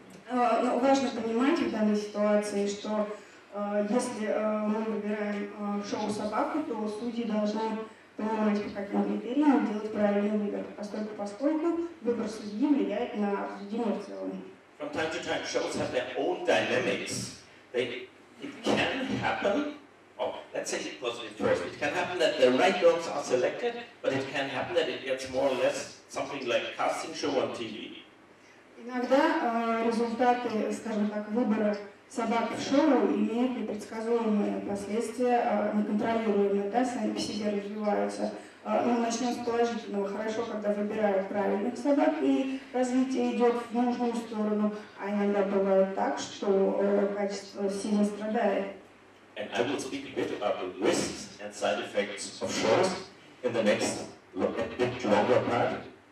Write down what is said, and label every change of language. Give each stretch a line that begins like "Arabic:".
Russian: Но важно понимать в данной ситуации, что если мы выбираем шоу собаку, то судьи должны понимать, по каким критериям делать правильный выбор, поскольку выбор судьи влияет на суждение в целом.
English: From time to time, shows have their own dynamics. It can happen, or let's say it was in first, it can happen that the right dogs are selected, but it can happen that it gets more or less something like casting show on TV.
Russian: Иногда результаты, скажем так, выбора собак в шоу имеют непредсказуемые последствия, неконтролируемые, да, сами по себе развиваются. Мы начнем с положительного. Хорошо, когда выбирают правильных собак, и развитие идет в нужную сторону. А иногда бывает так, что качество сильно страдает.
English: And I will speak a bit about the risks and side effects of shows in the next bit longer part.